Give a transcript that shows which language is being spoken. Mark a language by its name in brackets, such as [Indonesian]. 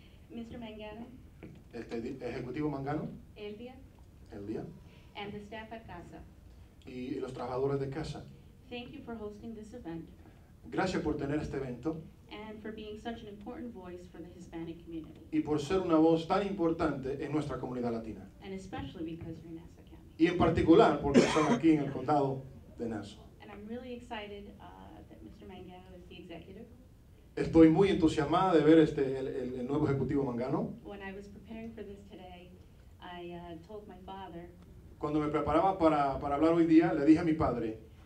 [English] Mr. Mangano. [Spanish] Ejecutivo Mangano. [English] Eldia. And the staff at casa. [Spanish] Y los trabajadores de casa. [English] Thank you for hosting this event. [Spanish] Gracias por tener este evento. [English] And for being such an important voice for the Hispanic community. [Spanish] Y por ser una voz tan importante en nuestra comunidad latina. [English] And especially because you're in Nassau County. [Spanish] Y en particular porque son aquí en el condado de Nassau. [English] And I'm really excited that Mr. Mangano is the executive. [Spanish] Estoy muy entusiasmada de ver el nuevo ejecutivo Mangano. [English] When I was preparing for this today, I told my father. [Spanish] Cuando me preparaba para hablar hoy día, le dije a mi padre.